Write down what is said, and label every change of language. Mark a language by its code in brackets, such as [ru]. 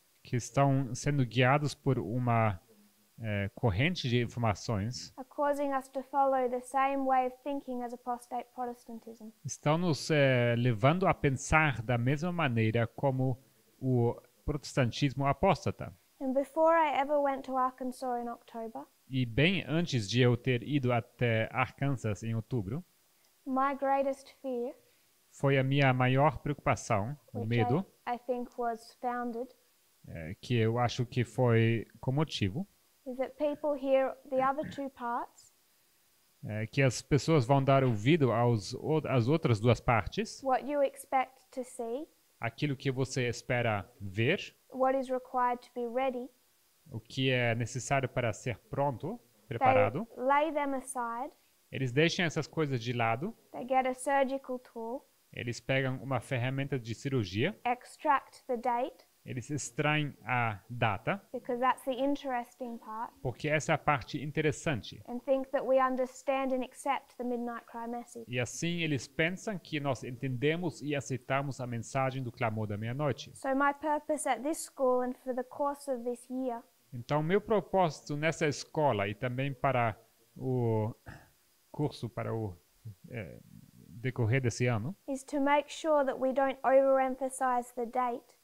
[pt] que estão sendo guiados por uma corrente de informações, [en] are causing us to follow the same way of thinking as apostate Protestantism. [pt] Estão nos levando a pensar da mesma maneira como o protestantismo apóstata. [en] And before I ever went to Arkansas in October, [pt] e bem antes de eu ter ido até Arkansas em outubro, [en] my greatest fear, [pt] foi a minha maior preocupação, o medo, [en] I think was founded, [pt] que eu acho que foi com motivo, [en] is that people hear the other two parts, [pt] que as pessoas vão dar ouvido às outras duas partes, [en] what you expect to see, [pt] aquilo que você espera ver, [en] what is required to be ready, [pt] o que é necessário para ser pronto, preparado, [en] they lay them aside, [pt] eles deixam essas coisas de lado, [en] they get a surgical tool, [pt] eles pegam uma ferramenta de cirurgia, [en] extract the date, [pt] eles extraem a data. [en] Because that's the interesting part. [pt] Porque essa é a parte interessante. [en] And think that we understand and accept the Midnight Cry message. [pt] E assim eles pensam que nós entendemos e aceitamos a mensagem do clamor da meia-noite. [en] So my purpose at this school and for the course of this year. [pt] Então meu propósito nessa escola e também para o curso, para o decorrer desse ano, [en] is to make sure that we don't overemphasize the date.